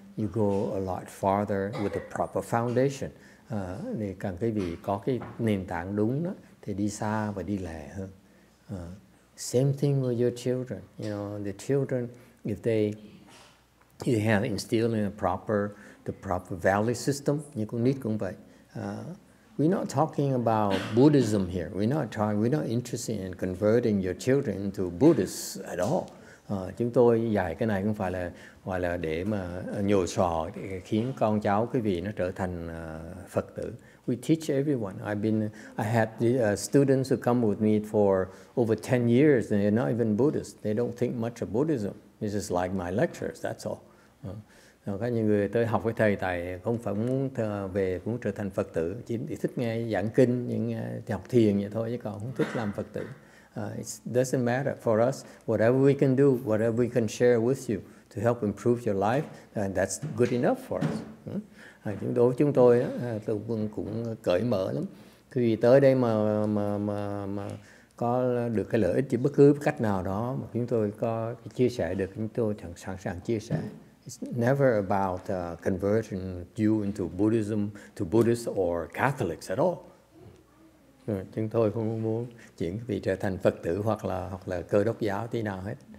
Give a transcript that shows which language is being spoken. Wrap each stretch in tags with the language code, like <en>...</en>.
<en>You go a lot farther with the proper foundation.</en> <vi>Thì càng cái vị có cái nền tảng đúng đó, thì đi xa và đi lẹ hơn.</vi> <en>Same thing with your children. You know, the children, if you have instilled in the proper value system,</en> <vi>như con nít cũng vậy.</vi> <en>We're not talking about Buddhism here. We're not interested in converting your children into Buddhists at all.</en> <vi>Chúng tôi dạy cái này không phải là gọi là để mà nhồi sọ khiến con cháu quý vị nó trở thành Phật tử.</vi> <en>We teach everyone. I had the students who come with me for over 10 years, and they're not even Buddhist. They don't think much of Buddhism. They just like my lectures, that's all.</en> <vi>Rồi có những người tới học với thầy tại không phải muốn trở thành Phật tử, chỉ thích nghe giảng kinh, học thiền vậy thôi, chứ còn không thích làm Phật tử.</vi> <en>It doesn't matter for us. Whatever we can do, whatever we can share with you to help improve your life, that's good enough for us.</en> <vi>Đối với chúng tôi cũng cởi mở lắm. Khi tới đây mà có được cái lợi ích thì bất cứ cách nào đó mà chúng tôi có chia sẻ được, chúng tôi sẵn sàng chia sẻ.</vi> <en>It's never about converting you into Buddhism, to Buddhists or Catholics at all.</en> <vi>Chúng tôi không muốn chuyển vị trở thành Phật tử hoặc là Cơ Đốc giáo tí nào hết.</vi>